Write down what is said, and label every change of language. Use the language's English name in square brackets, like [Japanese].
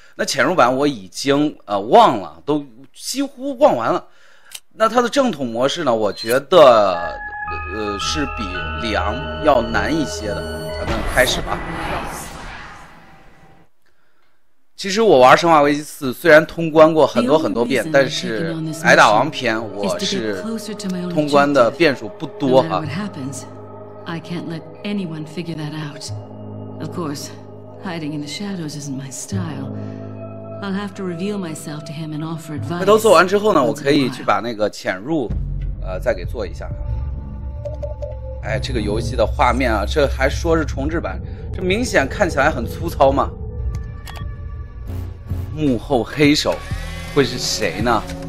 [Chinese] 那潜入版我已经忘了，都几乎忘完了。那它的正统模式呢，我觉得是比里昂要难一些的，咱们开始吧。其实我玩《生化危机4》虽然通关过很多很多遍，但是挨打王篇我是通关的遍数不多哈。 [English] I can't let anyone figure that out. Of course, hiding in the shadows isn't my style. I'll have to reveal myself to him and offer advice. [Chinese] 那都做完之后呢，我可以去把那个潜入，再给做一下。哎，这个游戏的画面啊，这还说是重制版，这明显看起来很粗糙嘛。幕后黑手会是谁呢？